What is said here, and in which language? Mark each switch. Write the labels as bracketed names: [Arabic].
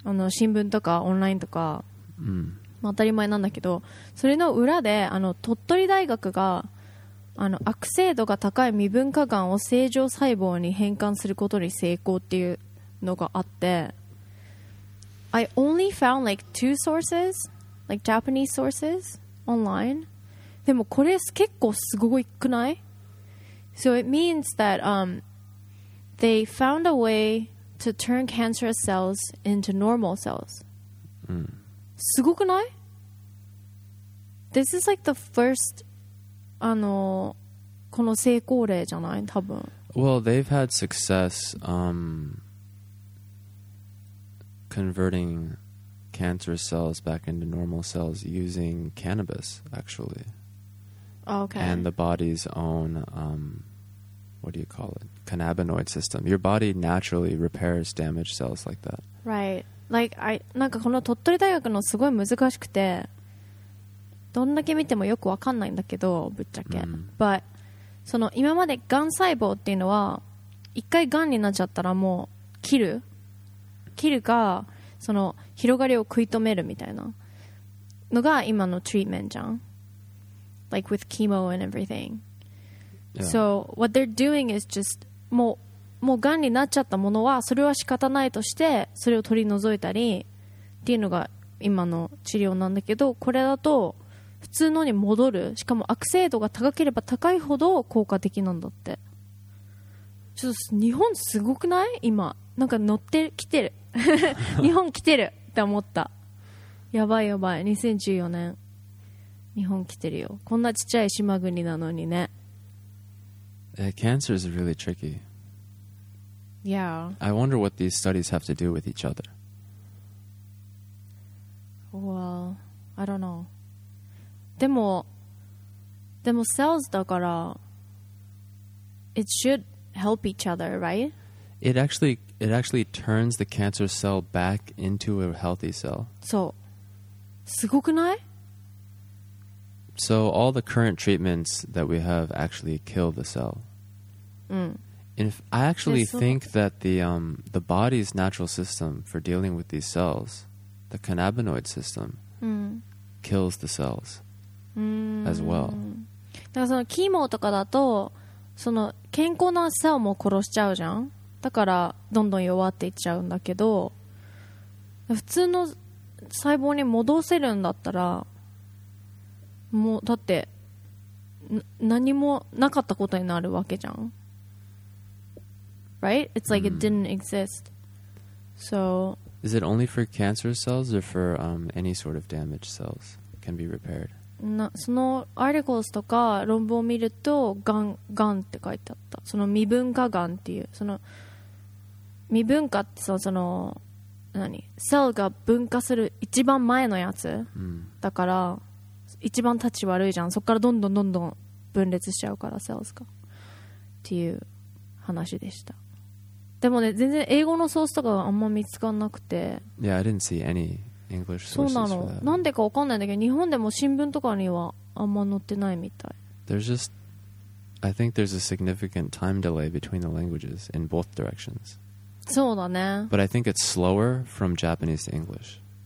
[Japanese] 新聞とかオンラインとか、当たり前なんだけど、それの裏で、鳥取大学が、悪性度が高い未分化がんを正常細胞に変換することに成功っていうのがあって、 [English] I only found like two sources, like Japanese sources, online. [Japanese] でもこれ結構すごくない? [English] So it means that they found a way to turn cancerous cells into normal cells. [Japanese] すごくない? [English] This is like the first [Japanese] この成功例じゃない?多分。 [English] Well, they've had success converting cancerous cells back into normal cells using cannabis, actually. Okay. And the body's own, what do you call it? Cannabinoid system. Your body naturally repairs damaged cells like that. Right. Like, [Japanese] なんかこの鳥取大学のすごい難しくて、どんだけ見てもよくわかんないんだけど、ぶっちゃけ。 [English] But, [Japanese] その今までがん細胞っていうのは、一回がんになっちゃったらもう切るか、その広がりを食い止めるみたいなのが今のトリートメントじゃん。 [English] Like with chemo and everything. So what they're doing is just [Japanese] もうがんになっちゃったものはそれは仕方ないとしてそれを取り除いたりっていうのが今の治療なんだけど、これだと普通のに戻る、しかも悪性度が高ければ高いほど効果的なんだって。ちょっと日本すごくない？今なんか乗ってきてる日本来てるって思った。やばいやばい、2014年日本来てるよ。こんなちっちゃい島国なのにね。 [English] Cancer is really tricky. Yeah. I wonder what these studies have to do with each other. Well, I don't know. [Japanese] でも [English] cells [Japanese] だから [English] it should help each other, right? It actually turns the cancer cell back into a healthy cell. [Japanese] そう。すごくない？ [English] So all the current treatments that we have actually kill the cell. And if I actually think that the body's natural system for dealing with these cells, the cannabinoid system, kills the cells as well. [Japanese] だからそのキモとかだとその健康なセルも殺しちゃうじゃん。だからどんどん弱っていっちゃうんだけど、普通の細胞に戻せるんだったら。もうだって何もなかったことになるわけじゃん。 [English] Right? It's like it didn't exist. So is it only for cancer cells or for any sort of damaged cells can be repaired? [Japanese] そのアーティクルスとか論文を見るとガンって書いてあった。その未分化ガンっていう、その未分化ってその何セルが分化する一番前のやつ、だから一番立ち悪いじゃん。そっからどんどんどんどん分裂しちゃうからセルスかっていう話でした。でもね、全然英語のソースとかあんま見つからなくて。 [English] Yeah, I didn't see any English sources for that. [Japanese] そうなの。なんでかわかんないんだけど、日本でも新聞とかにはあんま載ってないみたい。 [English] There's just, I think there's a significant time delay between the languages in both directions. [Japanese] そうだね。 [English] But I think it's slower from Japanese to English.